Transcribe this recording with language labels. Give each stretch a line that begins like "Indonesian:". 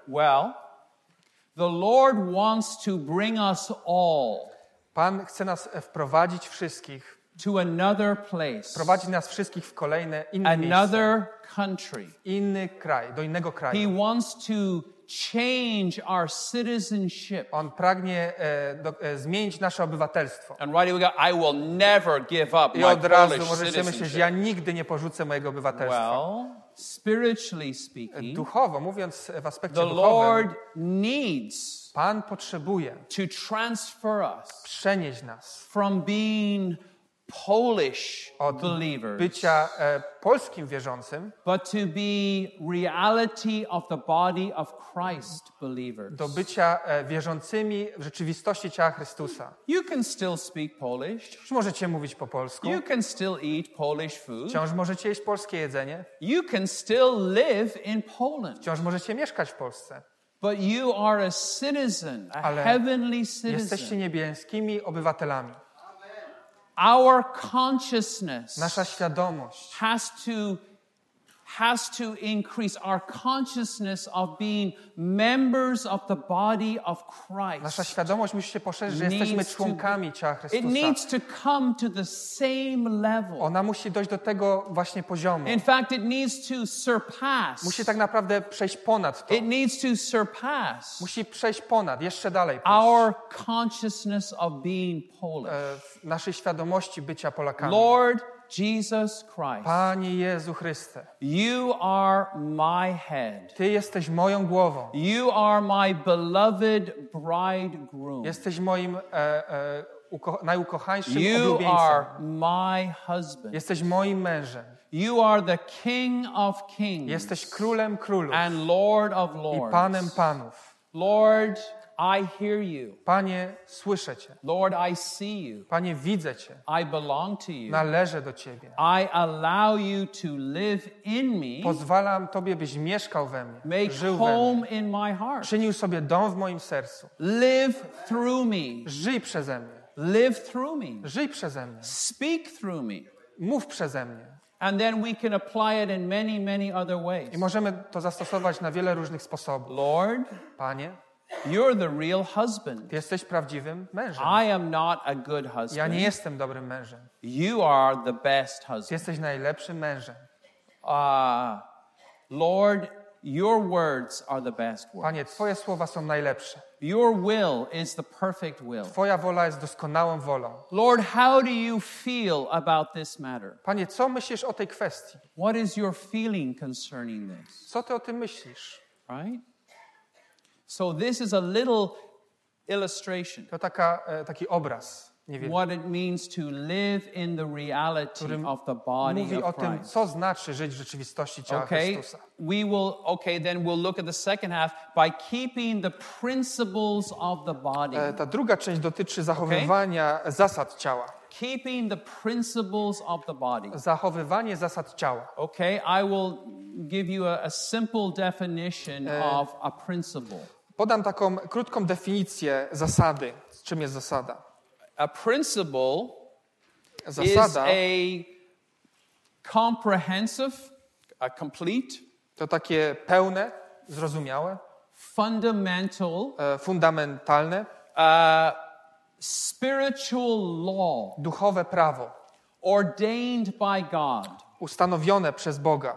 English: Well, the Lord wants to bring us all.
Polish: Pan chce nas wprowadzić wszystkich.
English: To another place.
Polish: Wprowadzić nas wszystkich w kolejne inne
English: another
Polish: miejsce.
English: Another country.
Polish: Inny kraj, do innego kraju.
English: He wants to change our citizenship.
Polish: On pragnie zmienić nasze obywatelstwo.
English: And right away we go, I will never give up my
Polish: I od razu możecie myśleć, ja nigdy nie porzucę mojego obywatelstwa.
English: Well, spiritually speaking,
Polish: duchowo, mówiąc w aspekcie
English: the
Polish: duchowym,
English: Lord needs
Polish: Pan potrzebuje
English: to transfer us
Polish: przenieść nas
English: from being Polish
Polish: od
English: believers,
Polish: bycia polskim wierzącym,
English: but to be reality of the body of Christ believers.
Polish: Do bycia wierzącymi w rzeczywistości ciała Chrystusa.
English: You can still speak Polish.
Polish: Wciąż możecie mówić po polsku.
English: You can still eat Polish food.
Polish: Wciąż możecie jeść polskie jedzenie.
English: You can still live in Poland.
Polish: Wciąż możecie mieszkać w Polsce.
English: But you are a citizen, a heavenly citizen.
Polish: Jesteście niebieskimi obywatelami.
English: Our consciousness
Polish: nasza świadomość
English: has to has to increase our consciousness of being members of the body of Christ.
Polish: Nasza świadomość musi się poszerzyć, że jesteśmy członkami ciała Chrystusa.
English: It needs to come to the same level.
Polish: Ona musi dojść do tego właśnie poziomu.
English: In fact, it needs to surpass.
Polish: Musi tak naprawdę przejść ponad to.
English: It needs to surpass.
Polish: Musi przejść ponad, jeszcze dalej.
English: Our consciousness of being Polish.
Polish: Naszej świadomości bycia Polakami.
English: Lord Jesus Christ.
Polish: Panie Jezu Chryste.
English: You are my head.
Polish: Ty jesteś moją głową.
English: You are my beloved bridegroom.
Polish: Jesteś moim najukochańszym oblubieńcem.
English: You are my husband.
Polish: Jesteś moim mężem.
English: You are the King of Kings.
Polish: Jesteś królem królów.
English: And Lord of Lords.
Polish: I panem panów.
English: Lord, I hear you.
Polish: Panie, słyszę cię.
English: Lord, I see you.
Polish: Panie, widzę cię.
English: I belong to you.
Polish: Należę do ciebie.
English: I allow you to live in me.
Polish: Pozwalam tobie, byś mieszkał we mnie.
English: Make
Polish: żył we
English: home
Polish: mnie.
English: In my heart.
Polish: Czynił sobie dom w moim sercu.
English: Live through me.
Polish: Żyj przeze mnie.
English: Live through me.
Polish: Żyj przeze mnie.
English: Speak through me.
Polish: Mów przeze mnie.
English: And then we can apply it in many, many other ways.
Polish: I możemy to zastosować na wiele różnych sposobów.
English: Lord,
Polish: Panie,
English: you're the real husband.
Polish: Ty jesteś prawdziwym mężem.
English: I am not a good husband.
Polish: Ja nie jestem dobrym mężem.
English: You are the best husband.
Polish: Ty jesteś najlepszym mężem.
English: Lord, your words are the best words.
Polish: Panie, twoje słowa są najlepsze.
English: Your will is the perfect will.
Polish: Twoja wola jest doskonałą wolą.
English: Lord, how do you feel about this matter?
Polish: Panie, co myślisz o tej kwestii?
English: What is your feeling concerning this?
Polish: Co ty o tym myślisz?
English: Right? So this is a little illustration.
Polish: To taka taki obraz.
English: What it means to live in the reality of the body of Christ.
Polish: Mówi o tym, co znaczy żyć w rzeczywistości ciała Chrystusa.
English: Okay, then we'll look at the second half by keeping the principles of the body.
Polish: Ta druga część dotyczy zachowywania zasad ciała.
English: Keeping the principles of the body.
Polish: Zachowywanie zasad ciała.
English: Okay, I will give you a simple definition of a principle.
Polish: Podam taką krótką definicję zasady. Czym jest zasada?
English: A principle
Polish: zasada,
English: is a comprehensive, a complete,
Polish: to takie pełne, zrozumiałe,
English: fundamental,
Polish: fundamentalne,
English: spiritual law,
Polish: duchowe prawo,
English: ordained by God.
Polish: Ustanowione przez Boga.